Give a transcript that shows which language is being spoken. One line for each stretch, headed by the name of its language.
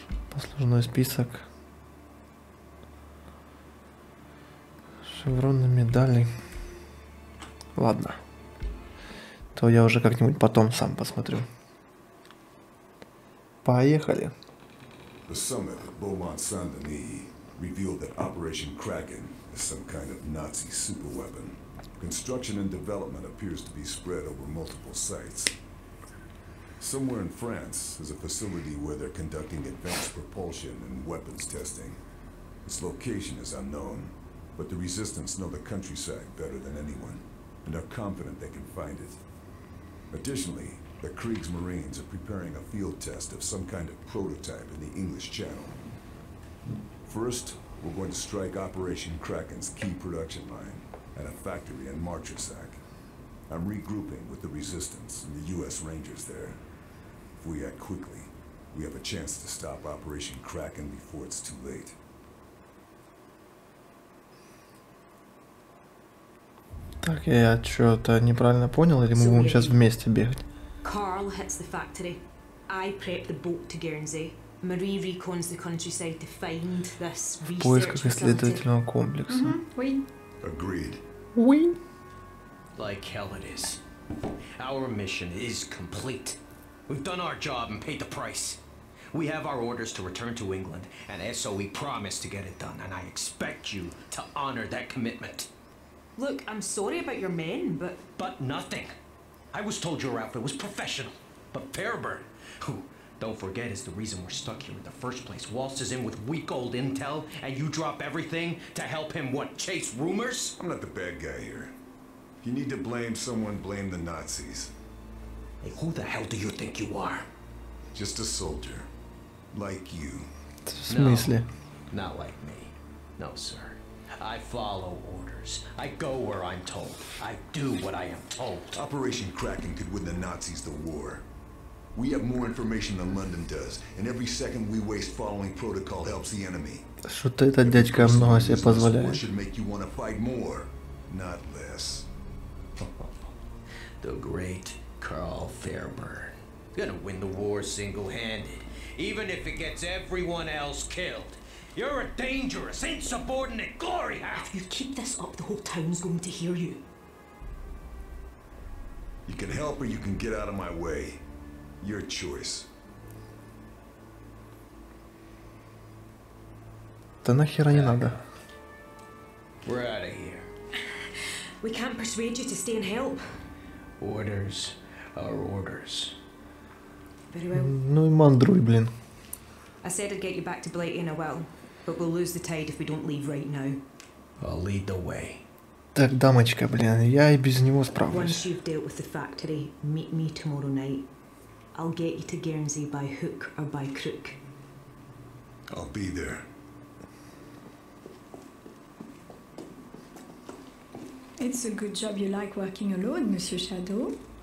Russian: Послужной список. Шевроны, медали. Ладно. То я уже как-нибудь потом сам посмотрю. Поехали.
English: The summit of Beaumont Saint-Denis revealed that Operation Kraken is some kind of Nazi superweapon. Construction and development appears to be spread over multiple sites. Somewhere in France is a facility where they're conducting advanced propulsion and weapons testing. Its location is unknown, but the resistance know the countryside better than anyone, and are confident they can find it. Additionally, the Kriegsmarines are preparing a field test of some kind of prototype in the English Channel. First, we're going to strike Operation Kraken's key production line at a factory in Marchesac. I'm regrouping with the Resistance and the US Rangers there. If we act quickly, we have a chance to stop Operation Kraken before it's too late.
Russian: Так, я что-то неправильно понял, или мы будем сейчас вместе бегать?
English: Carl hits the factory. I prep the boat to Guernsey. Marie recons the countryside to find this research facility.
Russian: В поисках исследовательного комплекса.
English: Agreed. We? Like hell it is. Our mission is complete. We've done our job and paid the price. We have our orders to return to England, and SOE promised to get it done, and I expect you to honor that commitment. Look, I'm sorry about your men, but... But nothing. I was told your outfit was professional. But Fairburn, who, don't forget, is the reason we're stuck here in the first place, waltzes in with week-old intel, and you drop everything to help him, what, chase rumors? I'm not the bad guy here. If you need to blame someone, blame the Nazis. Hey, who the hell do you think you are? Just a soldier. Like you. No, not like me. No, sir. I follow orders. I go where I'm told. I do what I am told. Operation Kraken could win the Nazis the war. We have more information than London does, and every second we waste following protocol helps the enemy.
Russian: Что-то этот дядька много себе позволяет.
English: This war should make you want to fight more, not less. The great Carl Fairburn. Gonna win the war single-handed, even if it gets everyone else killed. You're a dangerous, insubordinate glory hound! If you keep this up, the whole town's going to hear you. You can help or you can get out of my way. Your choice.
Russian: Да нахера не надо.
English: We're out of here. We can't persuade you to stay and help. Orders are orders. Very well.
Russian: Ну и мандруй, блин.
English: I said I'd get you back to Blighty in a while, but we'll lose the tide if we don't leave right now. I'll lead the way.
Russian: Так, дамочка, блин, я и без него справлюсь.
English: Once you've dealt with the factory, meet me tomorrow night. I'll get you to Guernsey by hook or by crook. I'll be there. It's a good job you like working alone, Monsieur Shadow.